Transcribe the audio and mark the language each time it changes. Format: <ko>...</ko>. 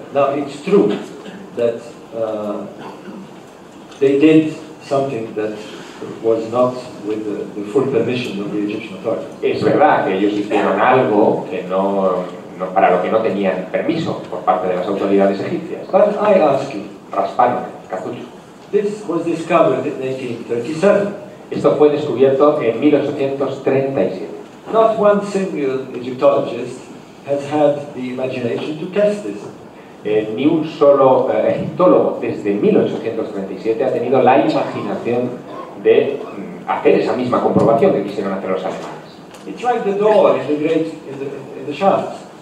<en>Now it's true that they did something that was not with the full permission of the Egyptian authorities.</en> <es>Es verdad que ellos hicieron algo que no para lo que no tenían permiso por parte de las autoridades egipcias.</es> <en>But I ask you,</en> <es>rasparon el cartucho.</es> <en>This was discovered in 1837.</en> <es>Esto fue descubierto en 1837.</es> <en>Not one single Egyptologist has had the imagination to test this.</en> <es>Ni un solo egiptólogo desde 1837 ha tenido la imaginación de hacer esa misma comprobación que quisieron hacer los alemanes.</es> <en>It's like the door in the great in the shafts.</en>